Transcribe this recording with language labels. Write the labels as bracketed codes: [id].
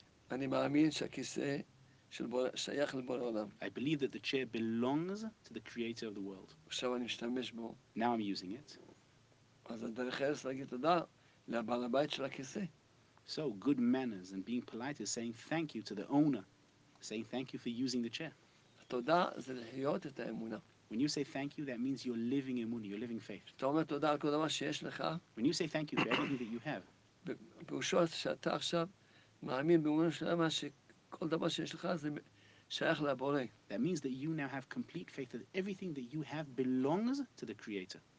[he] אני מאמין שהכיסא של בורא, שייך לבורא עולם. [en] I believe that the chair belongs to the creator of the world. [he] עכשיו אני משתמש בו. [en] Now I'm using it. [he] אז הדרך ארץ להגיד תודה לבעל הבית של הכיסא. [en] So good manners and being polite is saying thank you to the owner, saying thank you for using the chair. [he] תודה זה לחיות את האמונה. [en] When you say thank you, that means you're living imun, you're living faith. When you say thank you for everything that you have, that means that you now have complete faith that everything that you have belongs to the Creator.